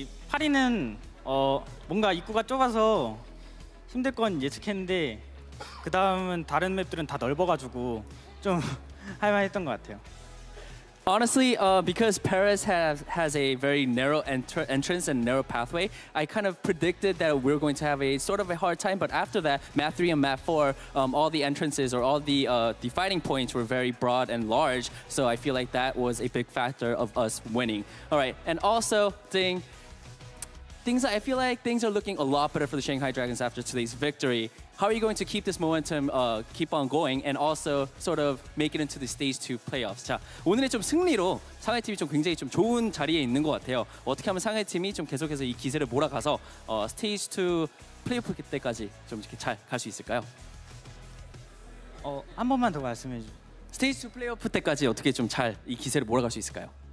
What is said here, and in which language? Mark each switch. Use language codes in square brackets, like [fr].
[ko] 파리는 뭔가 입구가 좁아서 힘들 건 예측했는데 그 다음은 다른 맵들은 다 넓어가지고 좀 할만했던 것 같아요. [en] Honestly, because Paris has a very narrow entrance and narrow pathway, I kind of predicted that we're going to have a sort of a hard time. But after that, map 3 and map 4, all the entrances or all the fighting points were very broad and large. So I feel like that was a big factor of us winning. All right, and also, Ding, things, I feel like things are looking a lot better for the Shanghai Dragons after today's victory. How are you going to keep this momentum keep on going and also sort of make it into the stage 2 playoffs? [ko] 자, 오늘의 좀 승리로 상하이 팀이 좀 굉장히 좀 좋은 자리에 있는 것 같아요. 어떻게 하면 상하이 팀이 좀 계속해서 이 기세를 몰아가서 스테이지 2 플레이오프 때까지 좀 이렇게 잘 갈 수 있을까요? 한 번만 더 말씀해 주세요. 스테이지 2 플레이오프 때까지 어떻게 좀 잘 이 기세를 몰아갈 수 있을까요?